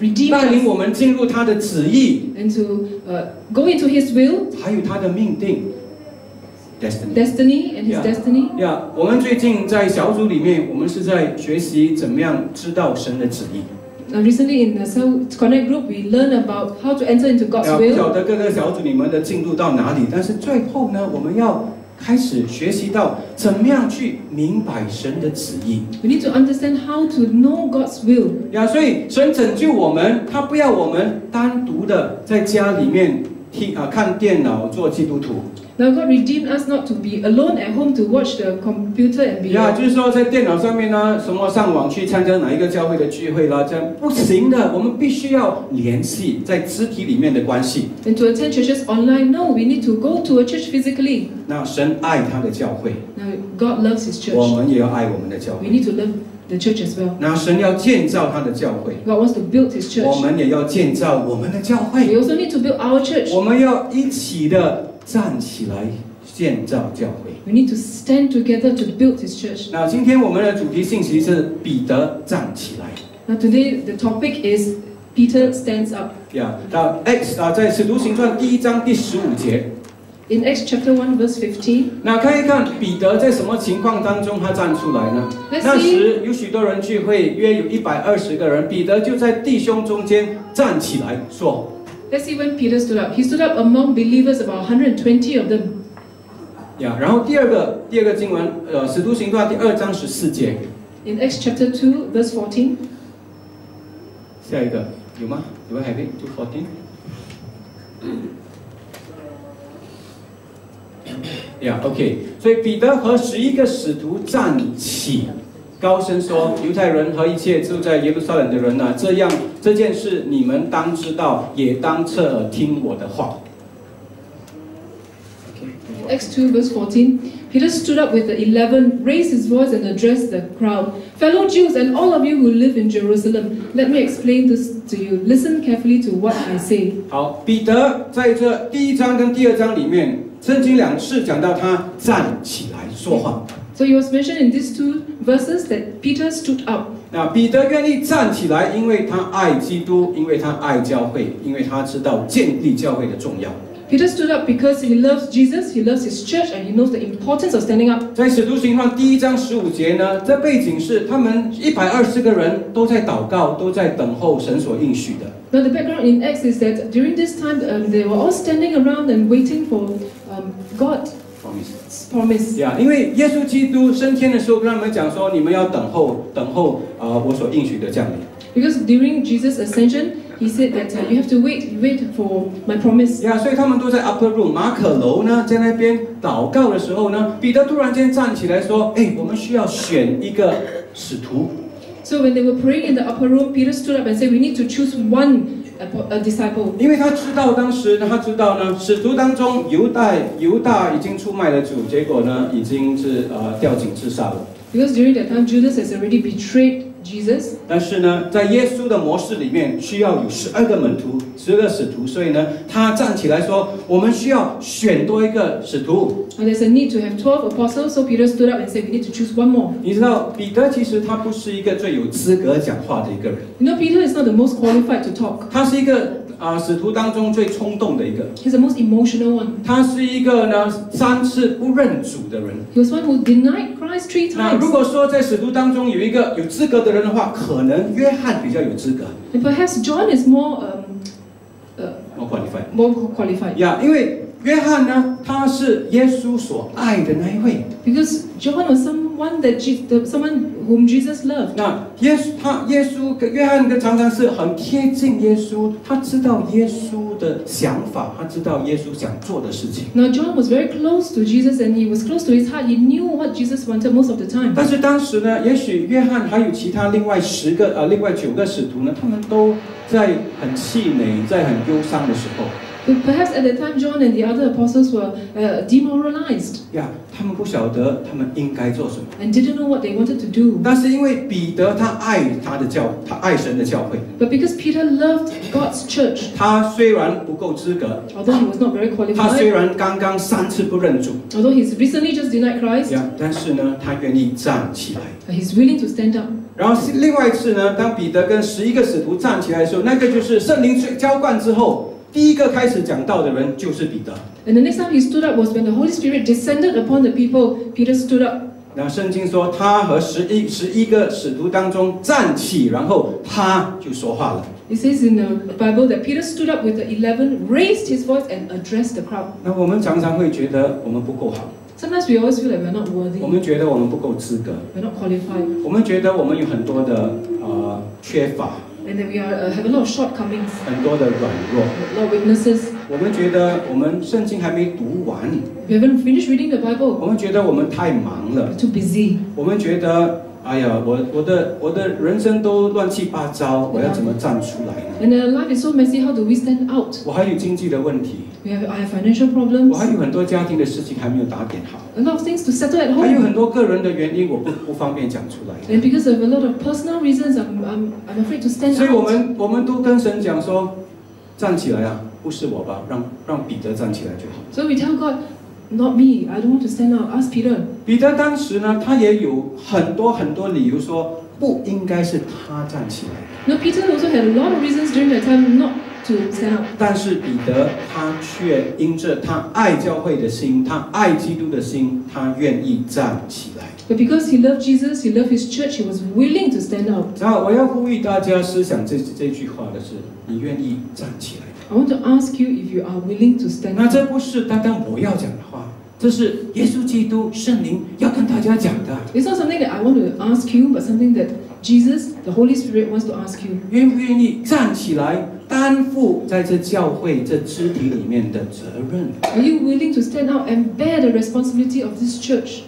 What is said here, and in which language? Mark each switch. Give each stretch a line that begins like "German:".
Chinese: 带领我们进入他的旨意
English: and to, go into his will,
Chinese: 还有他的命定 destiny,
English: destiny and his yeah, destiny
Chinese: yeah, 我们最近在小组里面我们是在学习怎么样知道神的旨意
English: recently in the Cell Connect group we learn about how to enter into God's will
Chinese: 不晓得各个小组你们的进度到哪里但是最后呢我们要开始学习到怎么样去明白神的旨意。
English: We need to understand how to know God's will.
Chinese: 呀，所以神拯救我们，他不要我们单独的在家里面听啊看电脑做基督徒。
English: Now God redeemed us not to be alone at home to watch the computer and be.
Chinese: 呀，就是说在电脑上面呢，什么上网去参加哪一个教会的聚会啦，这样不行的。我们必须要联系在肢体里面的关系。
English: And to attend churches online, no, we need to go to a church physically.
Chinese: 那神爱他的教会
English: Now, God loves his church.
Chinese: 我们也要爱我们的教会
English: We need to love the church as well.
Chinese: 那神要建造他的教会
English: God wants to build his church.
Chinese: 我们也要建造我们的教会
English: We also need to build our church.
Chinese: 我们要一起的站起来建造教会
English: We need to stand together to build his church.
Chinese: 那今天我们的主题信息是彼得站起来
English: Now, today the topic is Peter stands up.
Chinese: Yeah, Acts, 在使徒行传第一章第十五节
English: In Acts chapter 1, verse 15.
Chinese: 那看一看彼得在什么情况当中他站出来呢？那时有许多人聚会，约有120个人，彼得就在弟兄中间站起来说。
English: Let's see when Peter stood up. He stood up among believers, about 120 of them.
Chinese: Yeah, 然后第二个经文，使徒行传第二章十四节。
English: In Acts chapter 2, verse 14.
Chinese: 下一个，有吗？有吗 ？
English: Have it?
Chinese: 就 14?
English: Yeah, OK.
Chinese: 所以彼得和十一个使徒站起，高声说：“犹太人和一切住在耶路撒冷的人呐、啊，这样这件事你们当知道，也当侧耳听我的话。”
English: Acts 2 verse 14. Peter stood up with the 11, raised his voice and addressed the crowd. Fellow Jews and all of you who live in Jerusalem, let me explain this to you. Listen carefully to what I say.
Chinese: 好，彼得在这第一章跟第二章里面。圣经两次讲到他站起来说话。
English: So it was mentioned in these two verses that Peter stood up.
Chinese: 那彼得愿意站起来，因为他爱基督，因为他爱教会，因为他知道建立教会的重要。
English: Peter stood up because he loves Jesus, he loves his church, and he knows the importance of standing up.
Chinese: 在使徒行传第一章十五节呢，这背景是他们120个人都在祷告，都在等候神所应许的。
English: Now the background in Acts is that during this time, they were all standing around and waiting for God promise.
Chinese: Yeah, 因为耶稣基督升天的时候跟他们讲说，你们要等候，等候我所应许的降临。
English: Because during Jesus' ascension, he said that you have to wait, wait for my promise.
Chinese: Yeah, 所以他们都在 upper room 马可楼呢，在那边祷告的时候呢，彼得突然间站起来说，哎，我们需要选一个使徒。
English: So when they were praying in the upper room, Peter stood up and said, "We need to choose one a disciple."
Chinese: 因为他知道当时他知道呢，使徒当中犹大已经出卖了主，结果呢已经是掉井自杀了。
English: Because during that time, Judas has already betrayed Jesus.
Chinese: 但是呢，在耶稣的模式里面，需要有十二个门徒，十二个使徒，所以呢，他站起来说，我们需要选多一个使徒。
English: And there's a need to have 12 apostles, so Peter stood up and said, "We need to choose one more."
Chinese: 你知道，彼得其实他不是一个最有资格讲话的一个人。
English: You know, Peter is not the most qualified to talk.
Chinese: 他是一个使徒当中最冲动的一个。
English: He's the most emotional one.
Chinese: 他是一个呢三次不认主的人。
English: He was one who denied Christ three times.
Chinese: 那如果说在使徒当中有一个有资格的人的话，可能约翰比较有资格。
English: And perhaps John is more more qualified. More qualified.
Chinese: Yeah, 因为约翰呢，他是耶稣所爱的那一位。
English: Because John was someone that someone whom Jesus loved.
Chinese: 那耶稣他耶稣约翰跟常常是很贴近耶稣，他知道耶稣的想法，他知道耶稣想做的事情。
English: Now John was very close to Jesus and he was close to his heart. He knew what Jesus wanted most of the time.
Chinese: 但是当时呢，也许约翰还有其他另外十个另外九个使徒呢，他们都在很气馁，在很忧伤的时候。
English: But perhaps at the time, John and the other apostles were demoralized.
Chinese: Yeah, 他们不晓得他们应该做什么。
English: And didn't know what they wanted to do.
Chinese: 但是因为彼得他爱他的教，他爱神的教会。
English: But because Peter loved God's church.
Chinese: 他虽然不够资格。
English: Although he was not very qualified.
Chinese: 他虽然刚刚三次不认主。
English: Although he's recently just denied Christ.
Chinese: Yeah, 但是呢，他愿意站起来。
English: He's willing to stand up.
Chinese: 然后另外一次呢，当彼得跟十一个使徒站起来的时候，那个就是圣灵浇灌之后第一个开始讲道的人就是彼得。
English: And the next time he stood up was when the Holy Spirit descended upon the people. Peter stood up.
Chinese: 那圣经说他和十一个使徒当中站起，然后他就说话了。
English: It says in the Bible that Peter stood up with the 11, raised his voice and addressed the crowd.
Chinese: 那我们常常会觉得我们不够好。
English: Sometimes we always feel like we're not worthy.
Chinese: 我们觉得我们不够资格。
English: We're not qualified.
Chinese: 我们觉得我们有很多的缺乏。
English: And that we have a lot of shortcomings.
Chinese: 很多的软弱。
English: A lot of weaknesses.
Chinese: 我们觉得我们圣经还没读完。
English: We haven't finished reading the Bible.
Chinese: 我们觉得我们太忙了。
English: Too busy.
Chinese: 我们觉得哎呀，我的人生都乱七八糟，我要怎么站出来呢
English: ？And our life is so messy. How do we stand out?
Chinese: 我还有经济的问题。
English: I have financial problems.
Chinese: 我还有很多家庭的事情还没有打点好。
English: A lot of things to settle at home.
Chinese: 还有很多个人的原因，我不方便讲出来。
English: And because of a lot of personal reasons, I'm afraid to stand out.
Chinese: 所以我们都跟神讲说，站起来啊，不是我吧，让彼得站起来就好。
English: So we tell God. Not me. I don't want to stand out. Ask Peter.
Chinese: 彼得当时呢，他也有很多很多理由说不应该是他站起来。
English: No, Peter also had a lot of reasons during that time not to stand out.
Chinese: 但是彼得他却因着他爱教会的心，他爱基督的心，他愿意站起来。
English: But because he loved Jesus, he loved his church, he was willing to stand out.
Chinese: 然后我要呼吁大家思想这句话的是：你愿意站起来。
English: I want to ask you if you are willing to stand.
Chinese: 那这不是单单我要讲的话，这是耶稣基督圣灵要跟大家讲的。
English: It's not something that I want to ask you, but something that Jesus, the Holy Spirit, wants to ask you.
Chinese: 愿不愿意站起来担负在这教会这肢体里面的责任
English: ？Are you willing to stand out and bear the responsibility of this church?